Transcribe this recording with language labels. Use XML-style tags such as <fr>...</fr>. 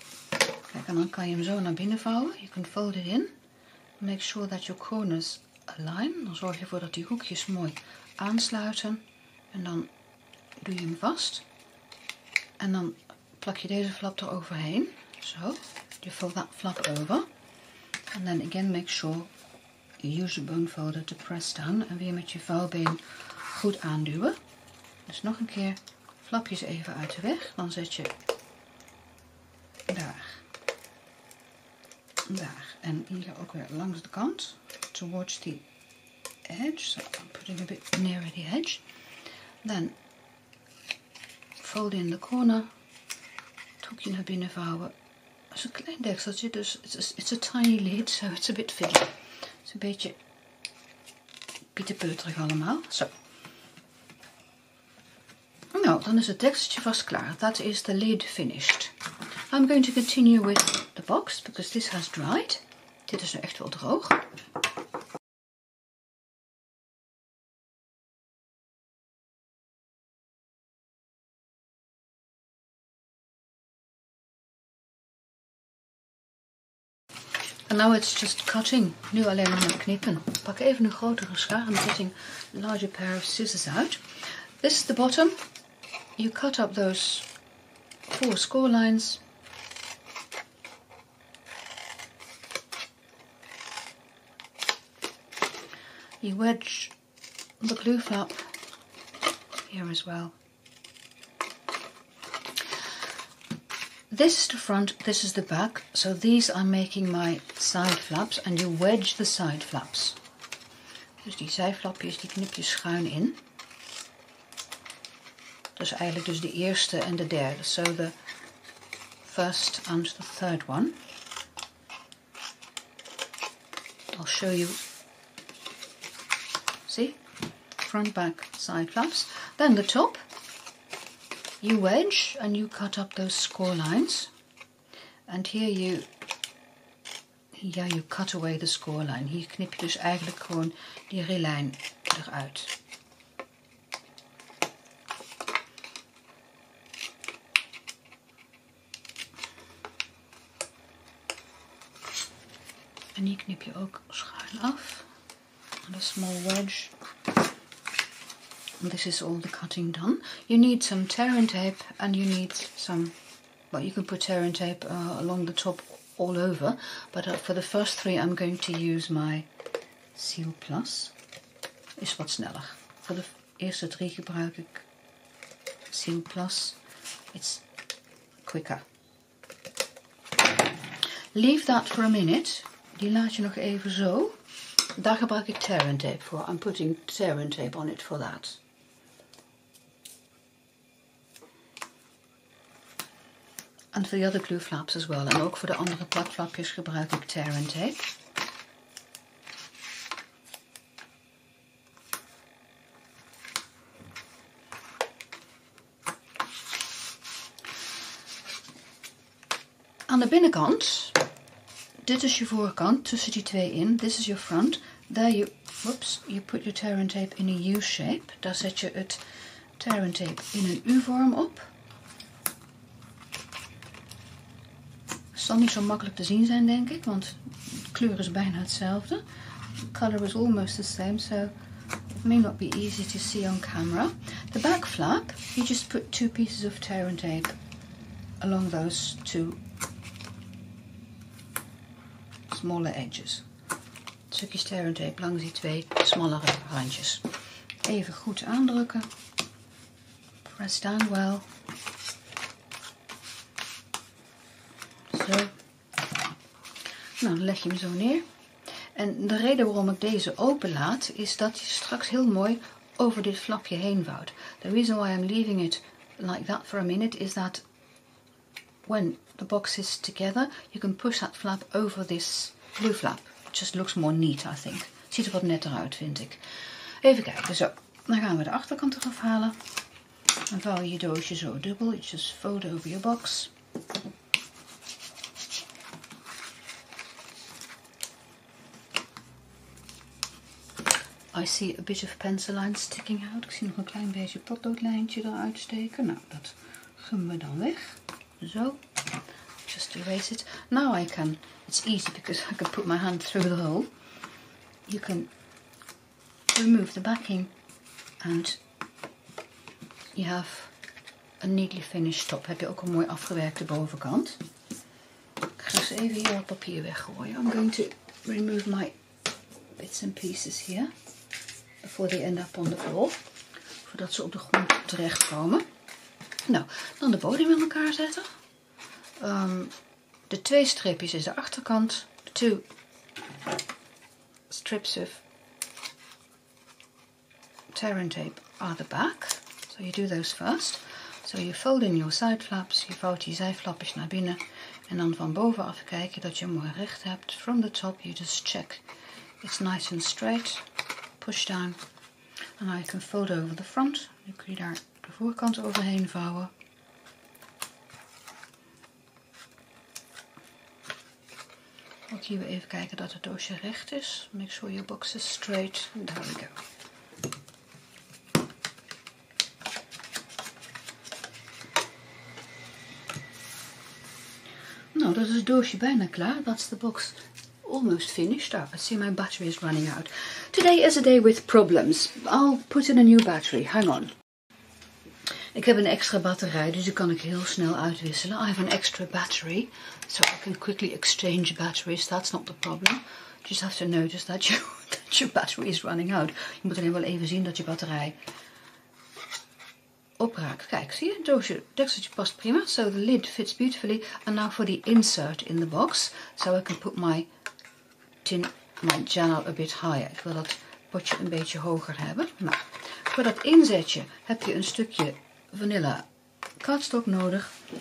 <nl>Kijk, en dan kan je hem zo naar binnen vouwen.</nl> <en>You can fold it in. Make sure that your corners align.</en> <nl>Dan zorg je ervoor dat die hoekjes mooi aansluiten. En dan doe je hem vast. En dan plak je deze flap eroverheen.</nl> <en>Zo, you fold that flap over. And then again make sure you use your bone folder to press down.</en> <nl>En weer met je vouwbeen goed aanduwen. Dus nog een keer flapjes even uit de weg. Dan zet je daar. Daar. En hier ook weer langs de kant.</nl> <en>Towards the edge. So I'm putting a bit nearer the edge. Then fold in the corner.</en> <nl>Het hoekje naar binnen vouwen. Het is een klein dekseltje, dus</nl> <en>it's a tiny lid, so it's a bit fiddly.</en> <nl>Het is een beetje pieterpeuterig allemaal. Zo. Nou, dan is het dekseltje vast klaar.</nl> <en>That is the lid finished. I'm going to continue with the box, because this has dried.</en> <nl>Dit is nu echt wel droog.</nl> <en>And now it's just cutting.</en> <nl>Nu alleen maar knippen. Pak even een grotere schaar.</nl> <en>I'm getting a larger pair of scissors out. This is the bottom. You cut up those four score lines. You wedge the glue flap here as well. This is the front, this is the back, so these are making my side flaps and you wedge the side flaps.</en> <nl>Dus die zijflapjes, die knip je schuin in. Dus eigenlijk dus de eerste en de derde.</nl> <en>So the first and the third one. I'll show you. See? Front, back, side flaps. Then the top. You wedge and you cut up those score lines. And here you cut away the score line.</en> <nl>Hier knip je dus eigenlijk gewoon die rillijn eruit. En hier knip je ook schuin af.</nl> <en>And a small wedge. This is all the cutting done. You need some tearing tape and you need some, well, you can put tearing tape along the top all over, but for the first three I'm going to use my Sealplas.</en> <nl>Is wat sneller.</nl> <en>For the</en> <nl>eerste drie gebruik ik Sealplas.</nl> <en>It's quicker. Leave that for a minute.</en> <nl>Die laat je nog even zo. Daar gebruik ik tearing tape voor.</nl> <en>I'm putting tearing tape on it for that. And for the other glue flaps as well.</en> <nl>En ook voor de andere plakflapjes gebruik ik tear and tape. Aan de binnenkant dit is je voorkant, tussen die twee in.</nl> <en>This is your front. There you, whoops, you put your tear and tape in a U-shape.</en> <nl>Daar zet je het tear and tape in een U-vorm op. Zal niet zo makkelijk te zien zijn, denk ik, want de kleur is bijna hetzelfde.</nl> <en>The color is almost the same, so it may not be easy to see on camera. The back flap, you just put two pieces of tear and tape along those two smaller edges.</en> <nl>Stukjes tear and tape langs die twee smallere randjes. Even goed aandrukken.</nl> <en>Press down well.</en> <nl>Zo. Nou, dan leg je hem zo neer. En de reden waarom ik deze open laat, is dat je straks heel mooi over dit flapje heen vouwt.</nl> <en>The reason why I'm leaving it like that for a minute is that when the box is together, you can push that flap over this blue flap. It just looks more neat, I think.</en> <nl>Ziet er wat netter uit, vind ik. Even kijken, zo. Dan gaan we de achterkant eraf halen. Dan vouw je je doosje zo dubbel.</nl> <en>You just fold over your box. I see a bit of pencil line sticking out.</en> <nl>Ik zie nog een klein beetje potloodlijntje eruit steken. Nou, dat gummen we dan weg. Zo.</nl> <en>Just erase it. Now I can, it's easy because I can put my hand through the hole. You can remove the backing and you have a neatly finished top.</en> <nl>Heb je ook een mooi afgewerkte bovenkant. Ik ga eens even hier wat papier weggooien.</nl> <en>I'm going to remove my bits and pieces here.</en> <nl>Voor die</nl> <en>end up on the floor.</en> <nl>Voordat ze op de grond terechtkomen. Nou, dan de bodem in elkaar zetten. De twee streepjes is de achterkant.</nl> <en>The two strips of tear and tape are the back. So you do those first. So you fold in your side flaps.</en> <nl>Je vouwt die zijflapjes naar binnen. En dan van bovenaf kijken dat je hem mooi recht hebt.</nl> <en>From the top you just check. It's nice and straight. Push down. And I can fold over the front.</en> <nl>Nu kun je daar de voorkant overheen vouwen. Ook hier weer even kijken dat het doosje recht is.</nl> <en>Make sure your box is straight. There we go.</en> <nl>Nou, dat is het doosje bijna klaar.</nl> <en>That's the box. Almost finished. Oh, I see my battery is running out. Today is a day with problems. I'll put in a new battery. Hang on.</en> <nl>Ik heb een extra batterij, dus die kan ik heel snel uitwisselen.</nl> <en>I have an extra battery, so I can quickly exchange batteries. That's not the problem. You just have to notice that your battery is running out.</en> <nl>Je moet alleen wel even zien dat je batterij opraakt. Kijk, zie je? Het doosje, dekseltje past prima.</nl> <en>So the lid fits beautifully. And now for the insert in the box. So I can put my tin, my channel a bit higher.</en> <nl>Ik wil dat potje een beetje hoger hebben. Nou, voor dat inzetje heb je een stukje vanilla cardstock nodig.</nl>